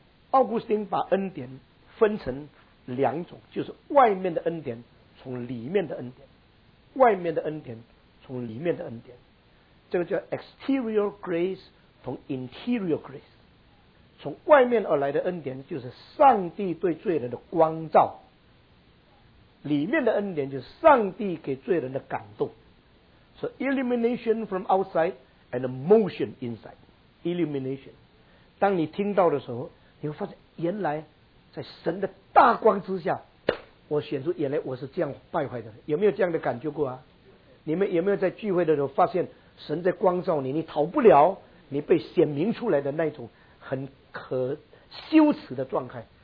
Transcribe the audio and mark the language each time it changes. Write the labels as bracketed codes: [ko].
[zh] 奥古斯丁把恩典分成两种，就是外面的恩典从里面的恩典，外面的恩典从里面的恩典，这个叫 [en] exterior grace [zh] 同 [en] interior grace。 [zh] 从外面而来的恩典就是上帝对罪人的光照，里面的恩典就是上帝给罪人的感动。 [en] So illumination from outside and emotion inside. [zh] Illumination， 当你听到的时候你会发现，原来在神的大光之下我显出原来我是这样败坏的。有没有这样的感觉过啊？你们有没有在聚会的时候发现神在光照你，你逃不了你被显明出来的那种很可羞耻的状态？